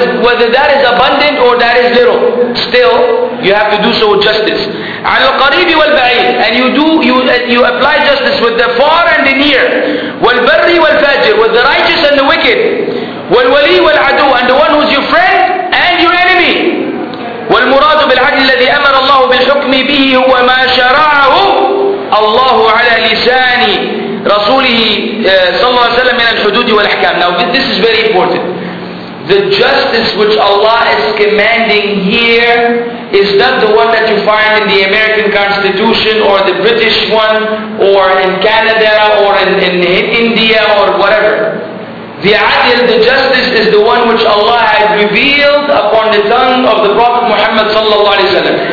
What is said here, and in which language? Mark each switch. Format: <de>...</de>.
<en>Whether that is abundant or that is little, still you have to do so with justice.</en> <ar>على القريب والبعيد.</ar> <en>And you apply justice with the far and the near.</en> <ar>والبر والفاجر.</ar> <en>With the righteous and the wicked.</en> <ar>والولي والعدو.</ar> <en>And the one who's your friend and your enemy.</en> <ar>والمراد بالعدل الذي أمر الله بالحكم به هو ما شرعه الله على لساني رسوله صلى الله عليه وسلم من الحدود والأحكام.</ar> <en>Now this is very important. The justice which Allah is commanding here is not the one that you find in the American Constitution or the British one or in Canada or in India or whatever. The adil, the justice, is the one which Allah had revealed upon the tongue of the Prophet Muhammad sallallahu alaihi wasallam.</en>